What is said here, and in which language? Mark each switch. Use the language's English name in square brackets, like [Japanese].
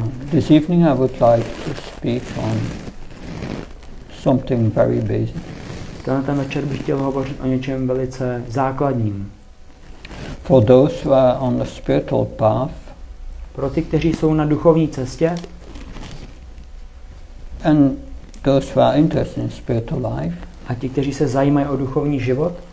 [English] This evening I would like to speak on something very basic. [Czech] Tento večer bych chtěl hovořit o něčem velice základním. [English] For those who are on the spiritual path. [Czech] Pro ty, kteří jsou na duchovní cestě. [English] And those who are interested in spiritual life. [Czech] A ti, kteří se zajímají o duchovní život.